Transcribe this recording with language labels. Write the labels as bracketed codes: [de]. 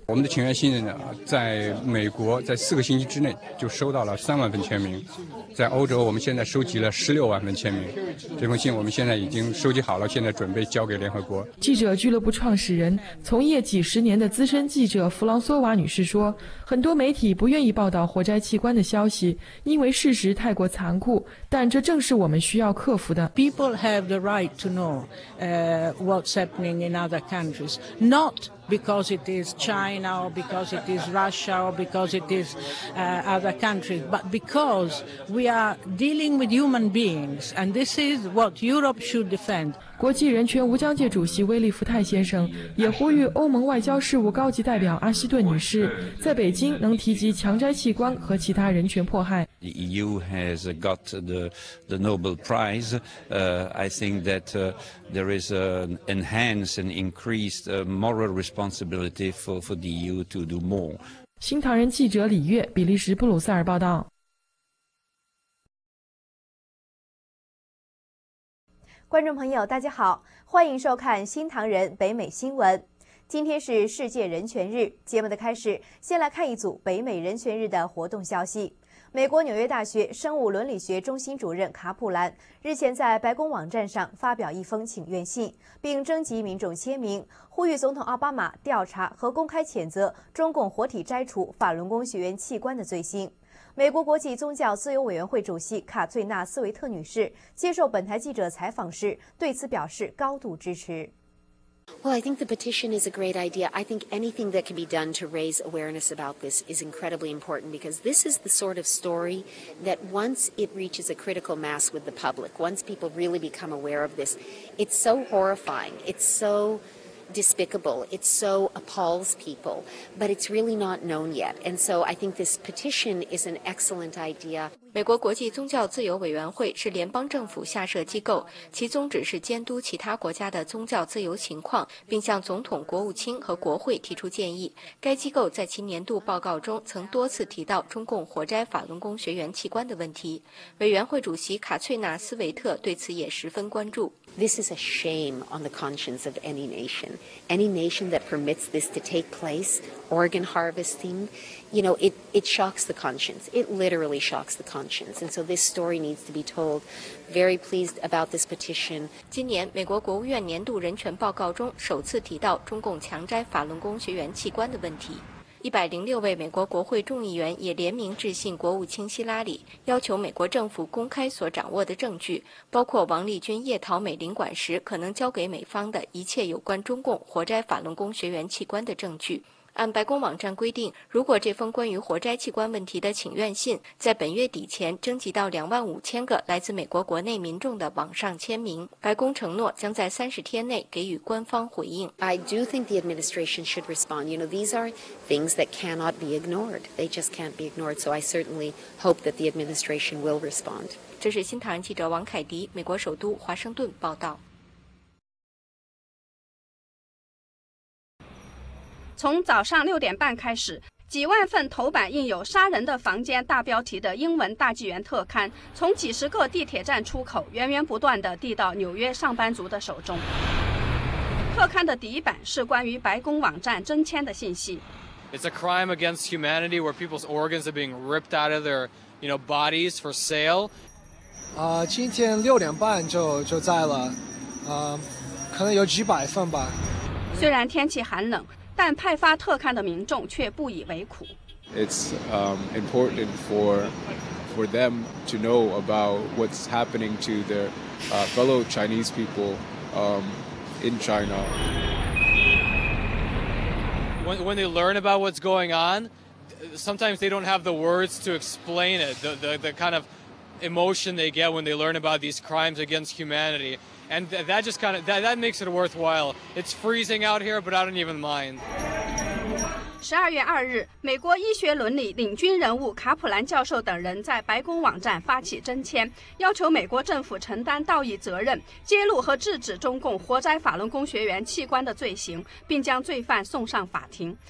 [zh] 我们的请愿信呢，在美国在四个星期之内就收到了三万份签名，在欧洲我们现在收集了16万份签名，这封信我们现在已经收集好了，现在准备交给联合国。记者俱乐部创始人、从业几十年的资深记者弗朗索瓦女士说，很多媒体不愿意报道活摘器官的消息，因为事实太过残酷，但这正是我们需要克服的。 [en] People have the right to know what's happening in other countries, not because it is China or because it is Russia or because it is other countries, but because we are dealing with human beings, and this is what Europe should defend. [zh] 国际人权吴江界主席威利福泰先生也呼吁欧盟外交事务高级代表阿希顿女士在北京能提及强摘器官和其他人权迫害。 [en] The EU has got the Nobel Prize. I think that there is an enhanced and increased moral responsibility for the EU to do more. [zh] 新唐人记者李月，比利时布鲁塞尔报道。观众朋友，大家好，欢迎收看新唐人北美新闻。今天是世界人权日，节目的开始，先来看一组北美人权日的活动消息。美国纽约大学生物伦理学中心主任卡普兰日前在白宫网站上发表一封请愿信，并征集民众签名，呼吁总统奥巴马调查和公开谴责中共活体摘除法轮功学员器官的罪行。美国国际宗教自由委员会主席卡翠纳·斯维特女士接受本台记者采访时对此表示高度支持。 [en] Well, I think the petition is a great idea. I think anything that can be done to raise awareness about this is incredibly important because this is the sort of story that once it reaches a critical mass with the public, once people really become aware of this, it's so horrifying, it's so despicable, it so appalls people, but it's really not known yet. And so I think this petition is an excellent idea. [zh] 美国国际宗教自由委员会是联邦政府下设机构，其宗旨是监督其他国家的宗教自由情况，并向总统、国务卿和国会提出建议。该机构在其年度报告中曾多次提到中共活摘法轮功学员器官的问题。委员会主席卡翠纳·斯维特对此也十分关注。 [en] This is a shame on the conscience of any nation. Any nation that permits this to take place, organ harvesting, you know, it shocks the conscience. It literally shocks the conscience. And so this story needs to be told. Very pleased about this petition. [zh] 今年美国国务院年度人权报告中首次提到中共强摘法轮功学员器官的问题。 106位美国国会众议员也联名致信国务卿希拉里，要求美国政府公开所掌握的证据，包括王立军夜逃美领馆时可能交给美方的一切有关中共活摘法轮功学员器官的证据。按白宫网站规定，如果这封关于活摘器官问题的请愿信在本月底前征集到25000个来自美国国内民众的网上签名，白宫承诺将在30天内给予官方回应。 [en] I do think the administration should respond. You know, these are things that cannot be ignored. They just can't be ignored. So I certainly hope that the administration will respond. [zh] 这是新唐人记者王凯迪，美国首都华盛顿报道。从早上6:30开始，几万份头版印有杀人的房间大标题的英文大纪元特刊，从几十个地铁站出口源源不断地递到纽约上班族的手中。特刊的第一版是关于白宫网站征签的信息。 [en] It's a crime against humanity where people's organs are being ripped out of their, you know, bodies for sale. [zh] 今天六点半就在了，可能有几百份吧。虽然天气寒冷，但派发特刊的民众却不以为苦。 [en] It's important for them to know about what's happening to their fellow Chinese people in China. When they learn about what's going on, sometimes they don't have the words to explain it. The kind of emotion they get when they learn about these crimes against humanity. And that just kind of, that makes it worthwhile. It's freezing out here, but I don't even mind. [zh] 12月2日，美国医学伦理领军人物卡普兰教授等人在白宫网站发起征签，要求美国政府承担道义责任，揭露和制止中共活摘法轮功学员器官的罪行，并将罪犯送上法庭。